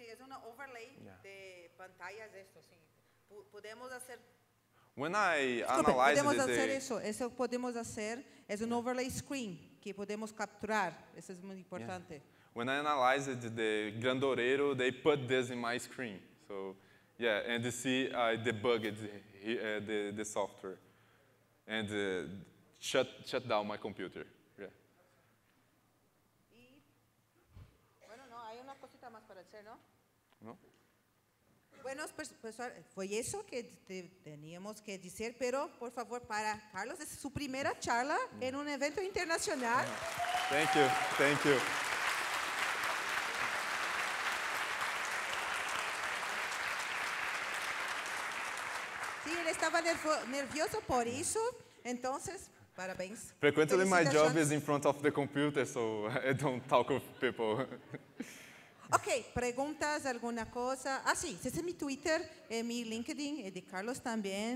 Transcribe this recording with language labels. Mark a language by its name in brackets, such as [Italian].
[Spanish] Sí, es una overlay de pantallas esto, sí. Podemos hacer. [English] When I analyze [Spanish] podemos hacer eso. Eso podemos hacer es un overlay screen que podemos capturar. Eso es muy importante. [English] Yeah. When I analyzed the grandorero, they put this in my screen. So, yeah, and you see I debugged the software and shut down my computer. Yeah. [Spanish] Y bueno, no, hay una cosita más para hacer, ¿no? No. Bueno, pues fue eso que teníamos que decir, pero por favor, para Carlos, es su primera charla en un evento internacional. [English] Thank you, thank you. [Spanish] Sí, él estaba nervioso por eso, entonces, [Portuguese] parabéns. [English] Frequently my job is in front of the computer, so I don't talk with people. [Spanish] Ok, preguntas, alguna cosa. Ah, sí, ese es mi Twitter, mi LinkedIn, de Carlos también.